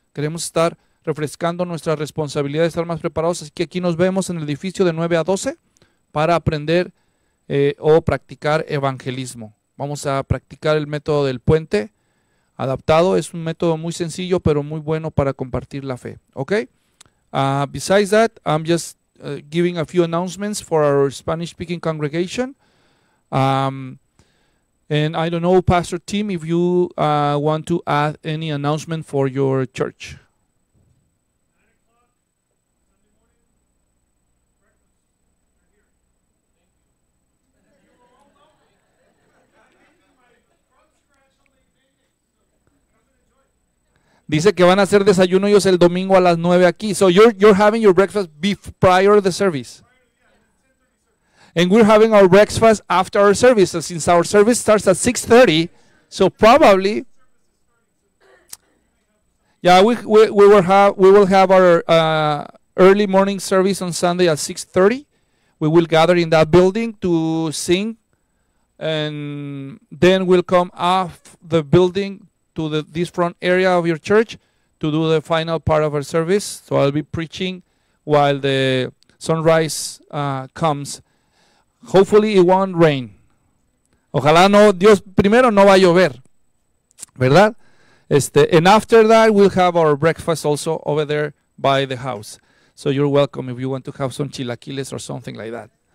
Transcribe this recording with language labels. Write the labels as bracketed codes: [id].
[es] Queremos estar refrescando nuestra responsabilidad de estar más preparados. Así que aquí nos vemos en el edificio de 9 a 12 para aprender o practicar evangelismo. Vamos a practicar el método del puente adaptado. Es un método muy sencillo, pero muy bueno para compartir la fe. [en] Okay? Besides that, I'm just giving a few announcements for our Spanish-speaking congregation. And I don't know, Pastor Tim, if you want to add any announcement for your church. [es] Dice que van a hacer desayuno ellos el domingo a las 9 aquí. [en] So you're having your breakfast prior to the service. And we're having our breakfast after our service. So since our service starts at 6:30, so probably, yeah, we will have our early morning service on Sunday at 6:30. We will gather in that building to sing, and then we'll come off the building to this front area of your church to do the final part of our service. So I'll be preaching while the sunrise comes. Hopefully it won't rain. [es] Ojalá no, Dios primero no va a llover, ¿verdad? [en] And after that we'll have our breakfast also over there by the house. So you're welcome if you want to have some chilaquiles or something like that.